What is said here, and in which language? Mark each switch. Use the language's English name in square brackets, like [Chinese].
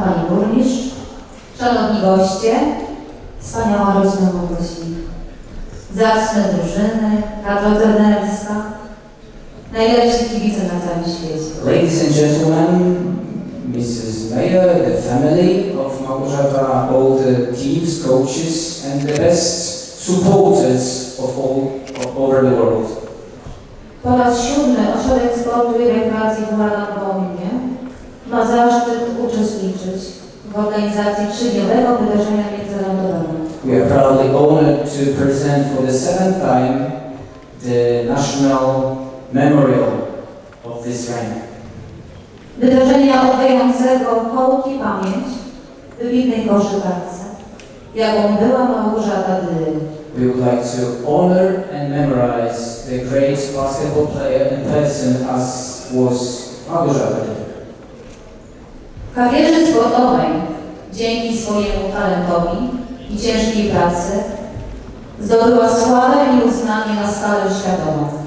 [Polish] burmistrz, szanowni goście, wspaniała rodzina Bogosławów, zacne drużyny, kadra trenerska, najlepsi kibice na całym świecie. [English] Ladies and gentlemen, Mrs. Mayor, the family of Małgorzata, all the teams, coaches and the best supporters of all of over the world. [Polish] Po raz siódmy ośrodek sportu i rekreacji w Malagonie ma zaszczyt uczestniczyć w organizacji trzydniowego wydarzenia międzynarodowego. [English] We are proudly honored to present for the seventh time the national memorial of this rank. [Polish] Wydarzenia oddającego hołd i pamięć wybitnej koszykarce, jaką była Małgorzata Dyryk. [English] We would like to honor and memorize the great basketball player in person as was Małgorzata Dyryk. [Polish] W karierze sportowej, dzięki swojemu talentowi i ciężkiej pracy, zdobyła sławę i uznanie na skalę światową.